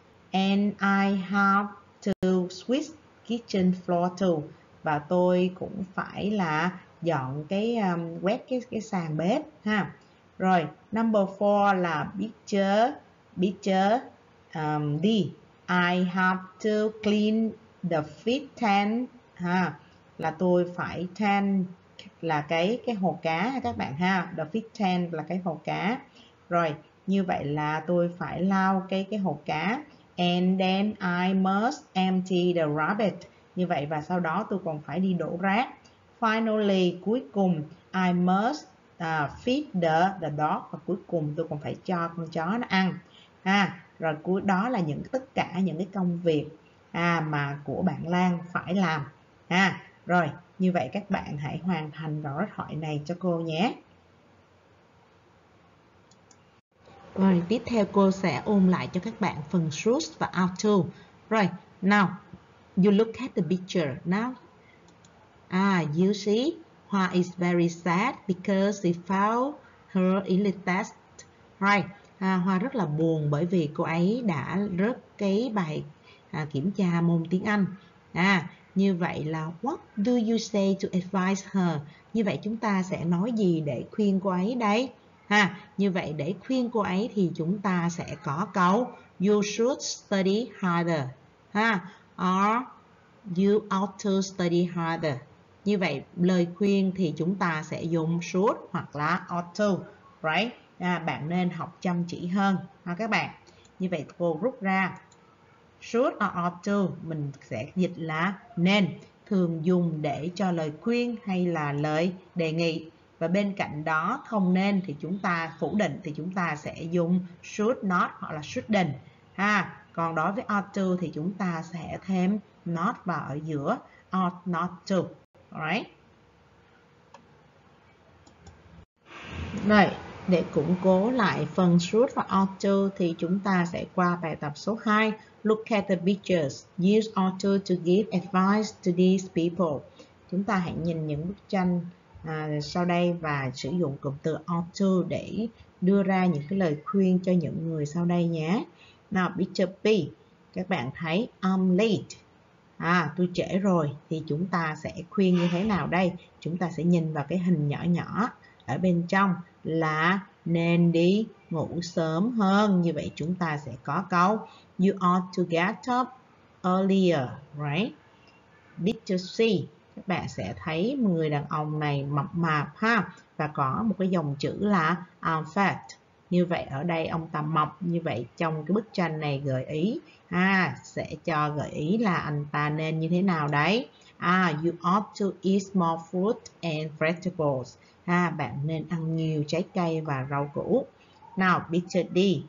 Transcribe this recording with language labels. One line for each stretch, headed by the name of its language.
English: And I have to sweep kitchen floor too.
Vietnamese: và tôi cũng phải là dọn cái quét cái sàn bếp ha. Rồi
English: number four
Vietnamese: là picture D.
English: I have to clean the fish tank
Vietnamese: ha, là tôi phải tank là cái hồ cá các bạn ha,
English: the fish tank
Vietnamese: là cái hồ cá. Rồi như vậy là tôi phải lau cái hồ cá.
English: And then I must empty the rubbish.
Vietnamese: Như vậy và sau đó tôi còn phải đi đổ rác.
English: Finally,
Vietnamese: cuối cùng,
English: I must feed the dog.
Vietnamese: Và cuối cùng tôi còn phải cho con chó nó ăn. Rồi cuối đó là những tất cả những cái công việc mà của bạn Lan phải làm. Rồi, như vậy các bạn hãy hoàn thành rõ thoại này cho cô nhé. Rồi, tiếp theo cô sẽ ôn lại cho các bạn phần source và auto.
English: Rồi, now, you look at the picture now. You see, Hoa is very sad because she found her English test. Right.
Vietnamese: Hoa rất là buồn bởi vì cô ấy đã rớt cái bài kiểm tra môn tiếng Anh. Như vậy là
English: what do you say to advise her?
Vietnamese: Như vậy chúng ta sẽ nói gì để khuyên cô ấy đây? Như vậy để khuyên cô ấy thì chúng ta sẽ có câu
English: you should study harder. Or you ought to study harder.
Vietnamese: Như vậy lời khuyên thì chúng ta sẽ dùng should hoặc là ought to, right? Bạn nên học chăm chỉ hơn ha các bạn. Như vậy cô rút ra should or ought to mình sẽ dịch là nên, thường dùng để cho lời khuyên hay là lời đề nghị. Và bên cạnh đó không nên thì chúng ta phủ định thì chúng ta sẽ dùng should not hoặc là shouldn't ha. Còn đối với ought to thì chúng ta sẽ thêm not vào ở giữa ought not to.
English: Right.
Vietnamese: Đây, để củng cố lại phần should và ought to thì chúng ta sẽ qua bài tập số 2.
English: Look at the pictures. Use ought to give advice to these people.
Vietnamese: Chúng ta hãy nhìn những bức tranh sau đây và sử dụng cụm từ ought to để đưa ra những cái lời khuyên cho những người sau đây nhé. Nào, picture B. Các bạn thấy
English: I'm late.
Vietnamese: Tôi trễ rồi thì chúng ta sẽ khuyên như thế nào đây? Chúng ta sẽ nhìn vào cái hình nhỏ nhỏ ở bên trong là nên đi ngủ sớm hơn. Như vậy chúng ta sẽ có câu
English: You ought to get up earlier, right? Picture C.
Vietnamese: Các bạn sẽ thấy người đàn ông này mập mạp ha và có một cái dòng chữ là
English: I'm fat.
Vietnamese: Như vậy ở đây ông ta mập, như vậy trong cái bức tranh này gợi ý sẽ cho gợi ý là anh ta nên như thế nào đấy.
English: You ought to eat more fruit and vegetables.
Vietnamese: Bạn nên ăn nhiều trái cây và rau củ.
English: Now, picture D.